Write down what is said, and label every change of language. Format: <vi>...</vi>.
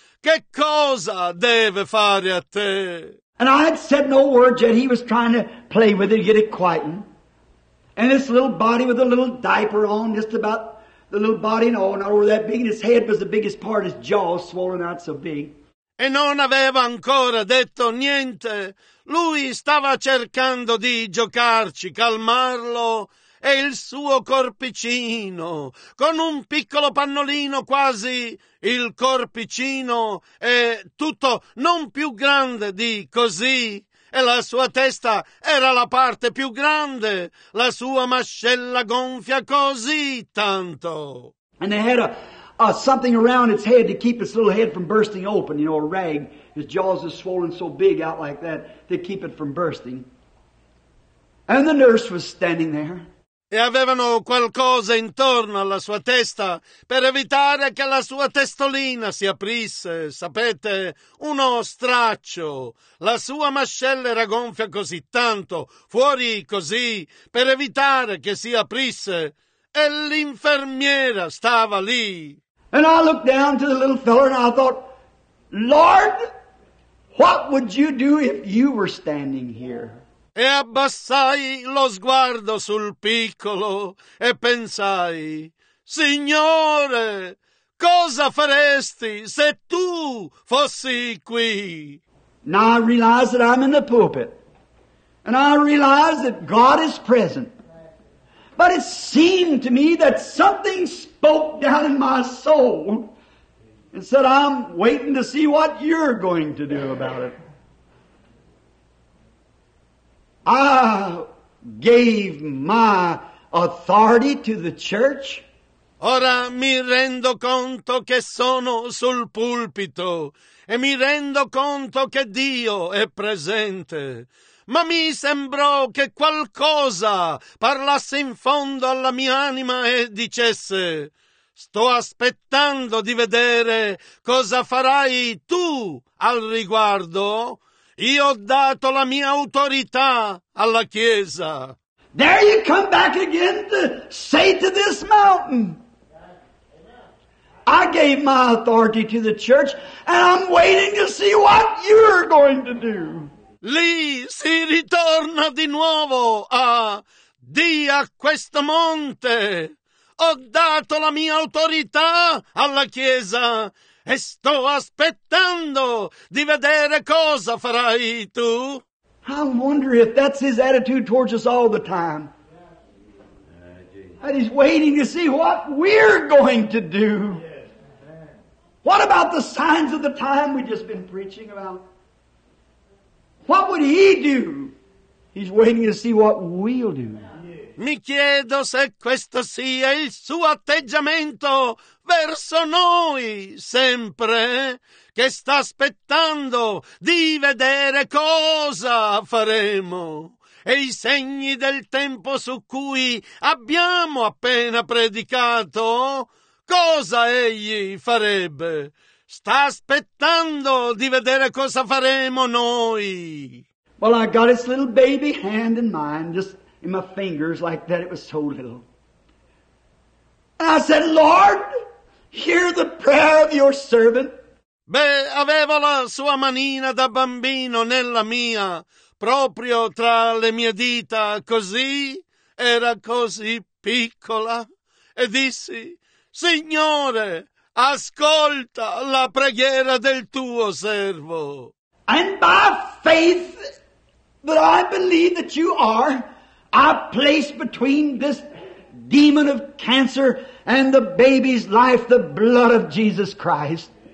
<it>Che cosa deve fare a te?</it> <en>And I had said no word yet. He was trying to play with it, get it quieting. And this little body with a little diaper on, just about the little body and all, not over that big, and his head was the biggest part, his jaw swollen out so big.</en> <it>E non aveva ancora detto niente. Lui stava cercando di giocarci, calmarlo, e il suo corpicino, con un piccolo pannolino quasi il corpicino, e tutto non più grande di così, e la sua testa era la parte più grande, la sua mascella gonfia così tanto.</it> <en>And they had something around its head to keep its little head from bursting open, you know, a rag. His jaws are swollen so big out like that to keep it from bursting. And the nurse was standing there.</en> <it>E avevano qualcosa intorno alla sua testa per evitare che la sua testolina si aprisse, sapete, uno straccio. La sua mascella era gonfia così tanto, fuori così, per evitare che si aprisse. E l'infermiera stava lì.</it> <en>And I looked down to the little fellow and I thought, Lord, what would you do if you were standing here?</en> <it>E abbassai lo sguardo sul piccolo e pensai, Signore, cosa faresti se tu fossi qui?</it> <en>Now I realize that I'm in the pulpit and I realize that God is present. But it seemed to me that something spoke down in my soul and said, I'm waiting to see what you're going to do about it. I gave my authority to the church</en> <it>Ora mi rendo conto che sono sul pulpito e mi rendo conto che Dio è presente. Ma mi sembrò che qualcosa parlasse in fondo alla mia anima e dicesse: sto aspettando di vedere cosa farai tu al riguardo. Io ho dato la mia autorità alla Chiesa.</it> <en>There you come back again to say to this mountain, I gave my authority to the church and I'm waiting to see what you're going to do.</en> <it>Lì si ritorna di nuovo a Dì a questo monte. Ho dato la mia autorità alla Chiesa e sto aspettando di vedere cosa farai tu.</it> <en>I wonder if that's his attitude towards us all the time. That he's waiting to see what we're going to do. What about the signs of the time we've just been preaching about? What would he do? He's waiting to see what we'll do.</en> <it>Mi chiedo se questo sia il suo atteggiamento verso noi sempre, che sta aspettando di vedere cosa faremo e i segni del tempo su cui abbiamo appena predicato, cosa egli farebbe. Sta aspettando di vedere cosa faremo noi.</it> <en>Well, I got his little baby hand in mine, just in my fingers like that, it was so little. And I said, Lord, hear the prayer of your servant.</en> <it>Beh, avevo la sua manina da bambino nella mia, proprio tra le mie dita, così, era così piccola. E dissi, Signore, ascolta la preghiera del tuo servo.</it> <en>And by faith that I believe that you are, I place between this demon of cancer and the baby's life the blood of Jesus Christ.</en>